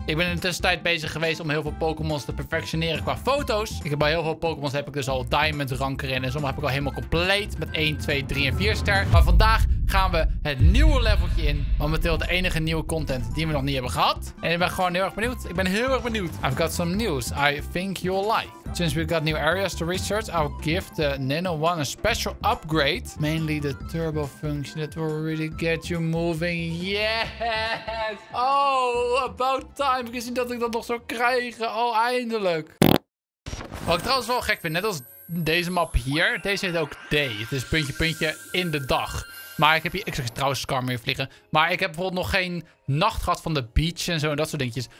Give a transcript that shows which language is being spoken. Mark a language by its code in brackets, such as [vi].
[nl] Ik ben in de tussentijd bezig geweest om heel veel Pokémon's te perfectioneren qua foto's. Ik heb al heel veel Pokémon's heb ik dus al Diamond rank erin en sommige heb ik al helemaal compleet met 1, 2, 3 en 4 ster. Maar vandaag gaan we het nieuwe leveltje in, momenteel de enige nieuwe content die we nog niet hebben gehad. En ik ben gewoon heel erg benieuwd. [en] I've got some news I think you'll like. Since we've got new areas to research, I'll give the Nano One a special upgrade. Mainly the turbo function that will really get you moving. Yes! Oh, about time. [nl] Gezien dat ik dat nog zou krijgen. Oh, eindelijk. Wat ik trouwens wel gek vind, net als deze map hier. Deze heet ook day. Het is puntje, puntje in de dag. Maar ik heb hier... Ik zag trouwens Skarmory vliegen. Maar ik heb bijvoorbeeld nog geen nacht gehad van de beach en zo en dat soort dingetjes.